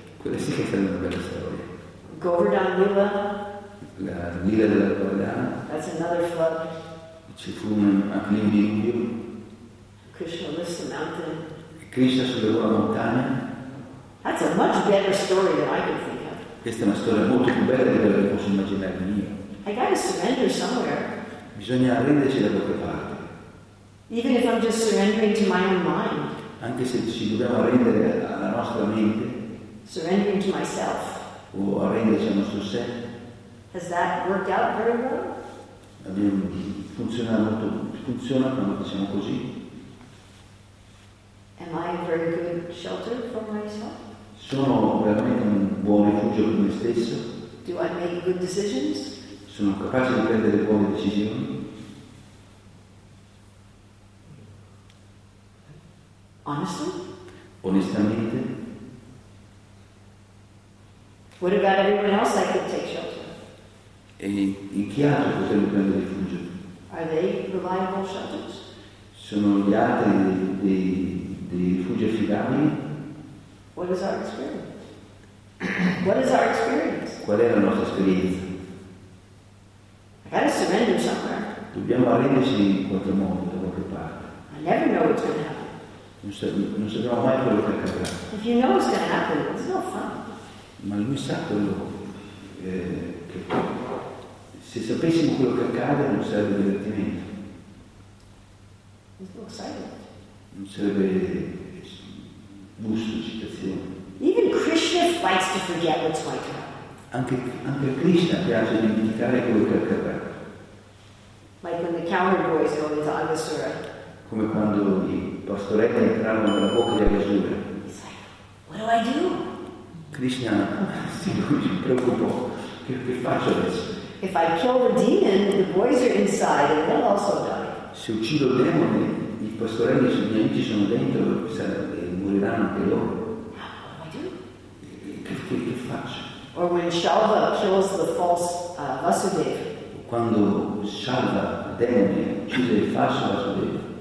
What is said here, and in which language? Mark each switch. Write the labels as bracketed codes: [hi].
[it] Quella sì che sarebbe una bella storia. [en] Govardhan Lila. [it] La Lila della Govardhana. [en] That's another flood. [it] Ci fu un diluvio. [en] Krishna lifts the mountain. [it] Krishna sollevò la montagna. [en] That's a much better story than I can think of. [it] Questa è una storia molto più bella di quella che posso immaginare io. [en] I gotta surrender somewhere. [it] Bisogna arrenderci da qualche parte. [en] Even if I'm just surrendering to my own mind. [it] Anche se ci dobbiamo arrendere alla nostra mente. [en] Surrendering to myself. [it] O arrenderci al nostro sé. [en] Has that worked out very well? [it] Funziona molto, funziona quando diciamo così. [en] Am I a very good shelter for myself? [it] Sono veramente un buon rifugio per me stesso. [en] Do I make good decisions? [it] Sono capace di prendere buone decisioni. [en] Honestly? [it] Onestamente. [en] What about everyone else I could take shelter? [it] E in chi altro potrebbe prendere rifugio? [en] Are they reliable shelters? [it] Sono gli altri dei rifugi affidabili? [en] What is our experience? What is our experience? [it] Qual è la nostra esperienza? [en] I gotta surrender somewhere. [it] Dobbiamo arrenderci in qualche modo, da qualche parte. [en] I never know what's gonna happen. [it] Non sappiamo mai quello che accadrà. [en] If you know what's gonna happen, it's no fun. [it] Ma lui sa quello che se sapessimo quello che accade non sarebbe divertimento. Non sarebbe gusto, eccitazione. [en] Even Krishna fights to forget what's going to happen. [it] Anche Krishna piace dimenticare quello che accadrà. [en] Like when the cowherd boys go into Agasura. [it] Come quando i pastoretti entrarono nella bocca di Agasura. [en] He's like, what do I do? [it] Krishna si preoccupò, che faccio adesso? [en] If I kill the demon, the boys are inside and they'll also die. [it] Se uccido il demone, i pastorelli e i suoi amici sono dentro e moriranno anche loro. [en] What do I do? [it] Che faccio? [en] Or when Shalva kills the false Vasudeva. [it] Quando Shalva, il demone, uccide il falso Vasudeva.